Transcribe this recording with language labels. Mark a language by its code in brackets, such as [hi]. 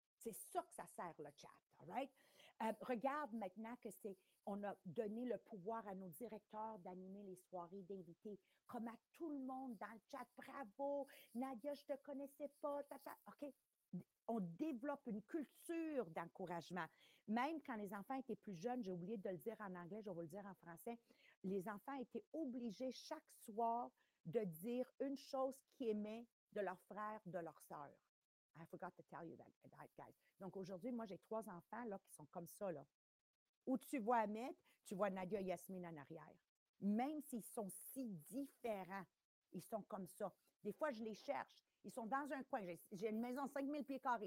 [fr] C'est ça que ça sert, le chat, all right? Regarde maintenant que c'est, on a donné le pouvoir à nos directeurs d'animer les soirées, d'inviter, comme à tout le monde dans le chat, bravo, Nadia, je ne te connaissais pas, tata, OK? On développe une culture d'encouragement. Même quand les enfants étaient plus jeunes, j'ai oublié de le dire en anglais, je vais vous le dire en français, les enfants étaient obligés chaque soir de dire une chose qu'ils aimaient de leur frère, de leur sœur. [en] I forgot to tell you that, guys. [fr] Donc aujourd'hui, moi, j'ai 3 enfants là, qui sont comme ça. Là. Où tu vois Ahmed, tu vois Nadia et Yasmine en arrière. Même s'ils sont si différents, ils sont comme ça. Des fois, je les cherche. Ils sont dans un coin. J'ai une maison de 5000 pieds carrés.